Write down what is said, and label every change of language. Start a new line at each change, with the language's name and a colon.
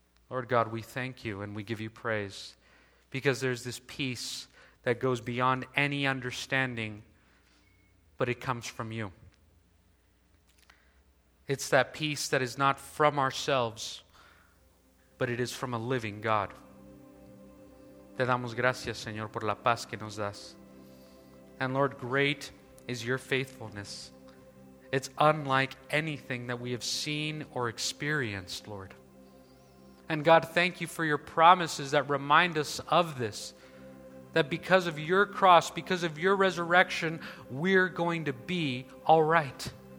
English: Lord God, we thank You and we give You praise because there's this peace that goes beyond any understanding, but it comes from You. It's that peace that is not from ourselves, but it is from a living God.
Spanish: Te damos gracias, Señor, por la paz que nos das.
English: And Lord, great is Your faithfulness. It's unlike anything that we have seen or experienced, Lord. And God, thank You for Your promises that remind us of this, that because of Your cross, because of Your resurrection, we're going to be all right.